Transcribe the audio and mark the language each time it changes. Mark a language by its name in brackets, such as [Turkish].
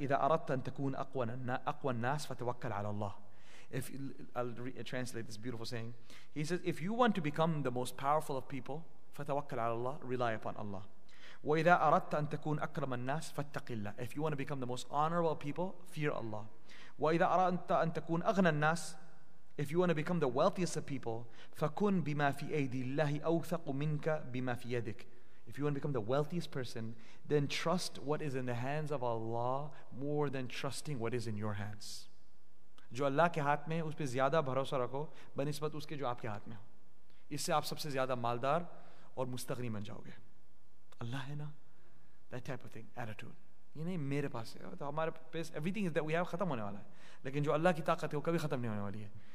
[Arabic] إِذَا أَرَدْتَ أَن تَكُونَ أَقْوَى النَّاسِ فَتَوَكَّلْ عَلَى اللَّهِ. [English] I'll translate this beautiful saying. He says, if you want to become the most powerful of people, [Arabic] فَتَوَكَّلْ عَلَى اللَّهِ, [English] rely upon Allah. [Arabic] وَإِذَا أَرَدْتَ أَن تَكُونَ أَكْرَمَ النَّاسِ فَاتَّقِ اللَّهِ. [English] If you want to become the most honorable people, fear Allah. [Arabic] وَإِذَا أَرَدْتَ أَن تَكُونَ أَغْنَى النَّاسِ. [English] If you want to become the wealthiest of people, [Arabic] فَكُنْ بِمَا فِي أَيْدِ اللَّهِ أَوْثَقُ مِنْكَ بِمَا فِي يَدِكَ. [English] If you want to become the wealthiest person, then trust what is in the hands of Allah more than trusting what is in your hands. [Urdu] جو اللہ کے ہاتھ میں اس پہ زیادہ بھروسہ رکھو بنسبت اس کے جو آپ کے ہاتھ میں ہو, اس سے آپ سب سے زیادہ مالدار اور مستغنی بن جاؤ گے. اللہ ہے نا, [English] that type of thing, attitude. [Urdu] یہ نہیں میرے پاس ہے, تو ہمارے پاس [English] everything is that we have [Urdu] ختم ہونے والا ہے, لیکن جو اللہ کی طاقت ہے وہ کبھی ختم نہیں ہونے والی ہے.